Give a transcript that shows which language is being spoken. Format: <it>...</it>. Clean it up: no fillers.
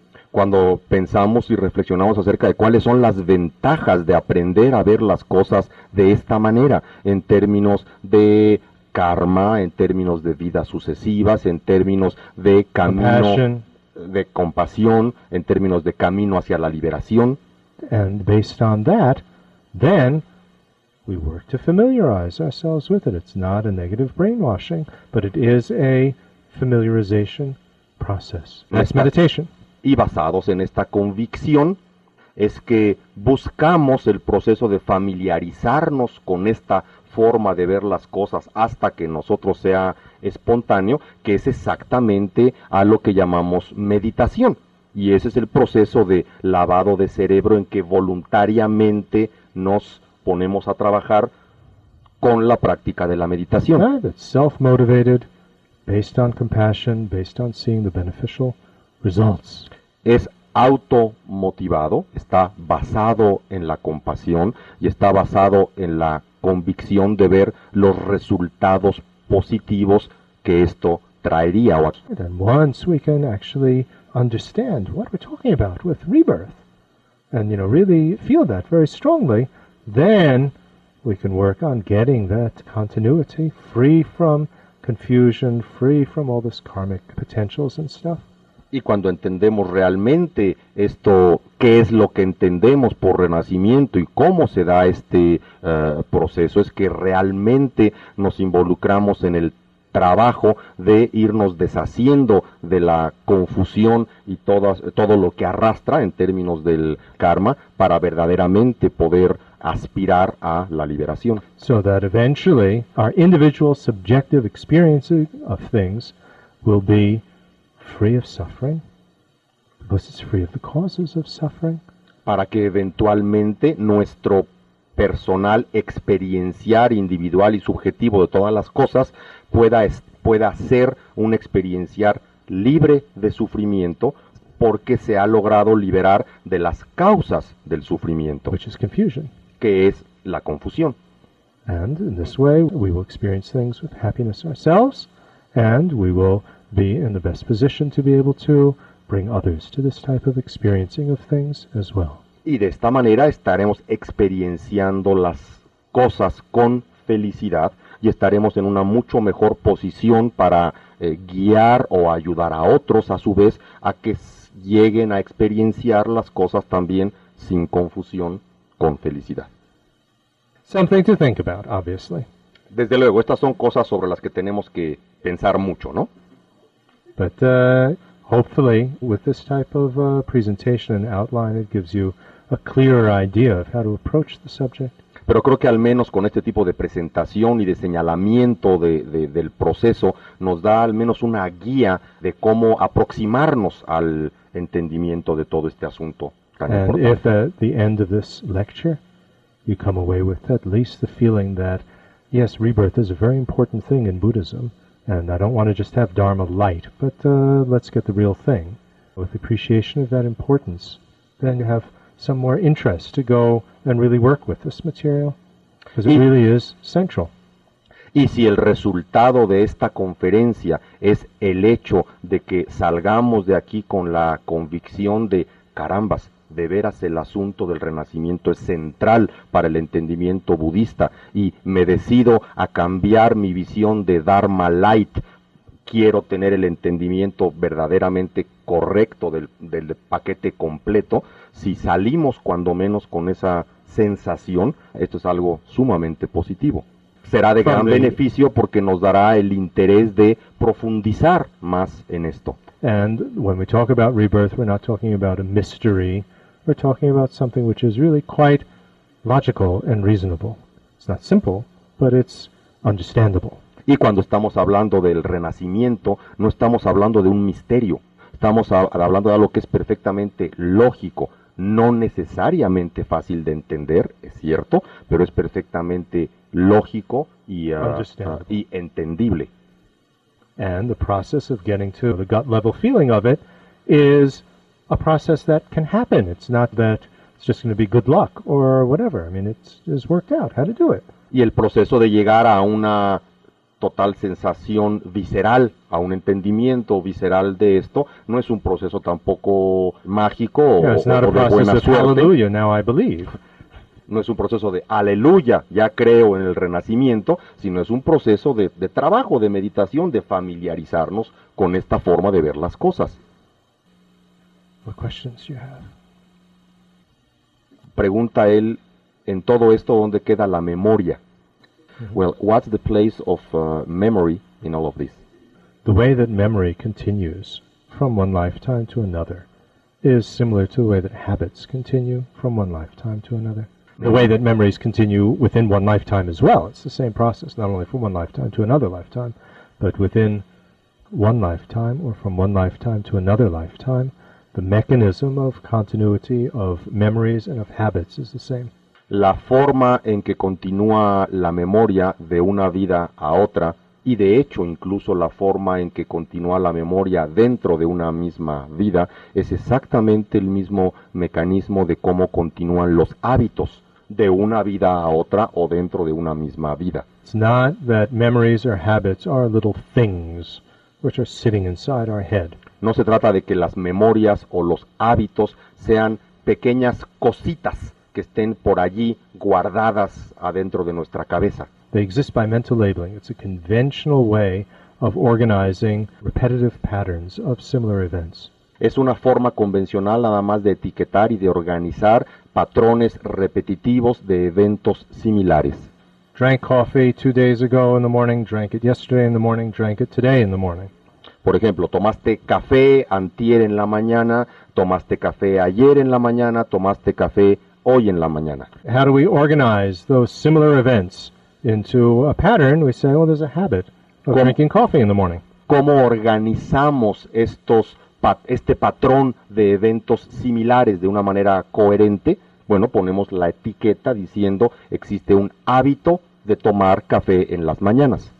<es>Cuando pensamos y reflexionamos acerca de cuáles son las ventajas de aprender a ver las cosas de esta manera, en términos de karma, en términos de vidas sucesivas, en términos de camino,</es> <en>compassion,</en> <es>de compasión, en términos de camino hacia la liberación.</es> <en>And based on that, then we work to familiarize ourselves with it. It's not a negative brainwashing, but it is a familiarization process. That's meditation.</en> <es>Y basados en esta convicción, es que buscamos el proceso de familiarizarnos con esta forma de ver las cosas hasta que nosotros sea espontáneo, que es exactamente a lo que llamamos meditación. Y ese es el proceso de lavado de cerebro en que voluntariamente nos ponemos a trabajar con la práctica de la meditación.</es> <en>That's self-motivated, based on compassion, based on seeing the beneficial results.</en> <es>Es automotivado, está basado en la compasión y está basado en la convicción de ver los resultados positivos que esto traería.</es> <en>And once we can actually understand what we're talking about with rebirth, and you know, really feel that very strongly, then we can work on getting that continuity free from confusion, free from all this karmic potentials and stuff.</en> <es>Y cuando entendemos realmente esto, qué es lo que entendemos por renacimiento y cómo se da este proceso, es que realmente nos involucramos en el trabajo de irnos deshaciendo de la confusión y todo lo que arrastra en términos del karma para verdaderamente poder aspirar a la liberación.</es> <en>So that eventually our individual subjective experiences of things will be free of suffering, because it's free of the causes of suffering.</en> <es>Para que eventualmente nuestro personal experienciar individual y subjetivo de todas las cosas pueda ser un experienciar libre de sufrimiento, porque se ha logrado liberar de las causas del sufrimiento,</es> <en>which is confusion,</en> <es>que es la confusión.</es> <en>And in this way, we will experience things with happiness ourselves, and we will be in the best position to be able to bring others to this type of experiencing of things as well.</en> <es>Y de esta manera estaremos experienciando las cosas con felicidad y estaremos en una mucho mejor posición para guiar o ayudar a otros a su vez a que lleguen a experienciar las cosas también sin confusión, con felicidad.</es> <en>Something to think about, obviously.</en> <es>Desde luego, estas son cosas sobre las que tenemos que pensar mucho, ¿no?</es> <en>But hopefully, with this type of presentation and outline, it gives you a clearer idea of how to approach the subject.</en> <es>Pero creo que al menos con este tipo de presentación y de señalamiento del proceso, nos da al menos una guía de cómo aproximarnos al entendimiento de todo este asunto tan</es> <en>and</en> <es>importante.</es> <en>If at the end of this lecture, you come away with at least the feeling that, yes, rebirth is a very important thing in Buddhism, and I don't want to just have Dharma light, but let's get the real thing. With appreciation of that importance, then you have some more interest to go and really work with this material, because it really is central.</en> <es>Y si el resultado de esta conferencia es el hecho de que salgamos de aquí con la convicción de, carambas, de veras el asunto del renacimiento es central para el entendimiento budista y me decido a cambiar mi visión de Dharma Light quiero tener el entendimiento verdaderamente correcto del paquete completo, si salimos cuando menos con esa sensación, esto es algo sumamente positivo. Será de gran beneficio porque nos dará el interés de profundizar más en esto.</es> <en>And when we talk about rebirth, we're not talking about a mystery. We're talking about something which is really quite logical and reasonable. It's not simple, but it's understandable.</en> <es>Y cuando estamos hablando del renacimiento, no estamos hablando de un misterio. Estamos hablando de algo que es perfectamente lógico. No necesariamente fácil de entender, es cierto, pero es perfectamente lógico y entendible.</es> <en>And the process of getting to the gut level feeling of it is a process that can happen. It's not that it's just going to be good luck or whatever. I mean, it's worked out how to do it.</en> <es>Y el proceso de llegar a una total sensación visceral, a un entendimiento visceral de esto, no es un proceso tampoco mágico o de buena suerte.</es> <en>Hallelujah, now I believe.</en> <es>No es un proceso de aleluya, ya creo en el renacimiento, sino es un proceso de trabajo, de meditación, de familiarizarnos con esta forma de ver las cosas.</es> <en>What questions do you have?</en> <es>Pregunta él, en todo esto, ¿dónde queda la memoria?</es> <en>Well, what's the place of memory in all of this? The way that memory continues from one lifetime to another is similar to the way that habits continue from one lifetime to another. The way that memories continue within one lifetime as well, it's the same process, not only from one lifetime to another lifetime, but within one lifetime or from one lifetime to another lifetime, the mechanism of continuity of memories and of habits is the same.</en> <es>La forma en que continúa la memoria de una vida a otra, y de hecho incluso la forma en que continúa la memoria dentro de una misma vida, es exactamente el mismo mecanismo de cómo continúan los hábitos de una vida a otra o dentro de una misma vida.</es> <en>It's not that memories or habits are little things which are sitting inside our head.</en> <es>No se trata de que las memorias o los hábitos sean pequeñas cositas que estén por allí guardadas adentro de nuestra cabeza.</es> <en>They exist by mental labeling. It's a conventional way of organizing repetitive patterns of similar events.</en> <es>Es una forma convencional nada más de etiquetar y de organizar patrones repetitivos de eventos similares.</es> <en>Drank coffee 2 days ago in the morning, drank it yesterday in the morning, drank it today in the morning.</en> <es>Por ejemplo, tomaste café antier en la mañana, tomaste café ayer en la mañana, tomaste café hoy en la mañana.</es> <en>How do we organize those similar events into a pattern? We say, well, there's a habit of drinking coffee in the morning.</en> <es>¿Cómo organizamos este patrón de eventos similares de una manera coherente? Bueno, ponemos la etiqueta diciendo existe un hábito de tomar café en las mañanas.</es>